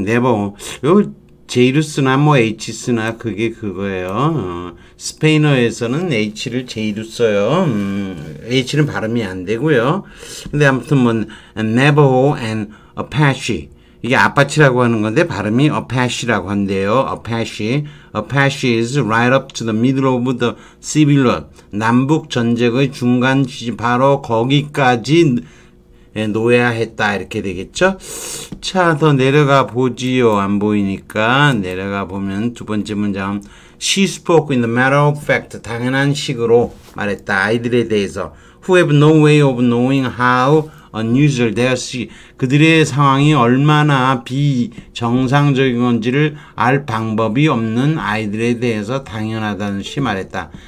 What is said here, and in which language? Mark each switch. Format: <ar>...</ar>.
<ko>요 J를 쓰나 뭐 H 쓰나 그게 그거예요. 스페인어에서는 H를 J로 써요. H는 발음이 안 되고요. 근데 아무튼 뭐 Navajo and Apache. 이게 아파치라고 하는 건데 발음이 어패시라고 한대요. 어패시.</ko> <en>Apache is right up to the middle of the Civil War.</en> <ko>남북 전쟁의 중간 바로 거기까지 놓여야 했다 이렇게 되겠죠? 자, 더 내려가 보지요. 안 보이니까 내려가 보면 두 번째 문장.</ko> <en>She spoke in the matter of fact.</en> <ko>당연한 식으로 말했다. 아이들에 대해서.</ko> <en>Who have no way of knowing how unusual they are.</en> <ko>그들의 상황이 얼마나 비정상적인 건지를 알 방법이 없는 아이들에 대해서 당연하다는 듯이 말했다.</ko>